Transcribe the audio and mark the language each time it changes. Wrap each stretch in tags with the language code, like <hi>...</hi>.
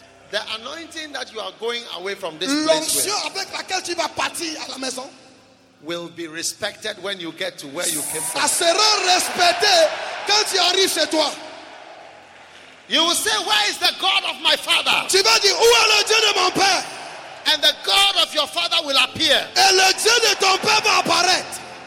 <en>The anointing that you are going away from this</en> <fr>place avec laquelle tu vas partir à la maison</fr> <en>will be respected when you get to where you came from.</en> <fr>Ça sera respecté quand tu arrives chez toi.</fr> <en>You will say, where is the God of my father?</en> <fr>Tu vas dire, où est le Dieu de mon père?</fr> <en>And the God of your father will appear.</en> <fr>Et le Dieu de ton père va apparaître.</fr>